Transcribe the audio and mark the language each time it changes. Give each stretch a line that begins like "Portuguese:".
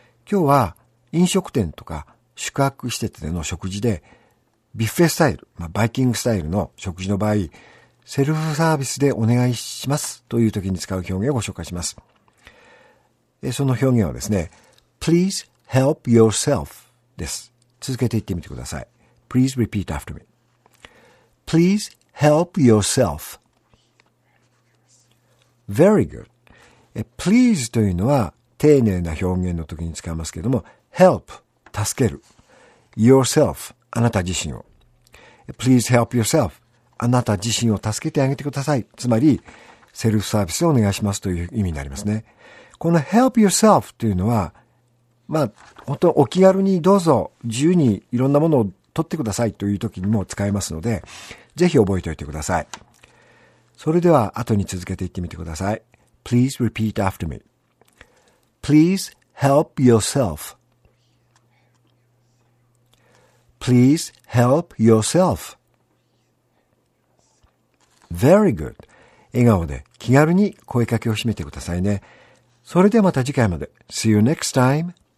Japanese: 今日は飲食店とか宿泊施設での食事で、ビュッフェスタイル、バイキングスタイルの食事の場合、セルフサービスでお願いしますという時に使う表現をご紹介します。その表現はですね、
English: Please help yourself
Japanese: です。続けて言ってみてください。
English: Please repeat after me.Please help yourself.Very good.
Japanese: Please というのは丁寧な表現の時に使いますけれども、help、助ける。 yourself、あなた自身を。
English: Please help yourself.
Japanese: あなた自身を助けてあげてください。つまり、セルフサービスをお願いしますという意味になりますね。この help yourself というのは、本当お気軽にどうぞ自由にいろんなものを取ってくださいという時にも使えますので、ぜひ覚えておいてください。それでは後に続けていってみてください。
English: Please repeat after me.Please help yourself.Please help yourself. Very good.
Japanese: 笑顔で気軽に声かけを締めてくださいね。それではまた次回まで。
English: See you next time.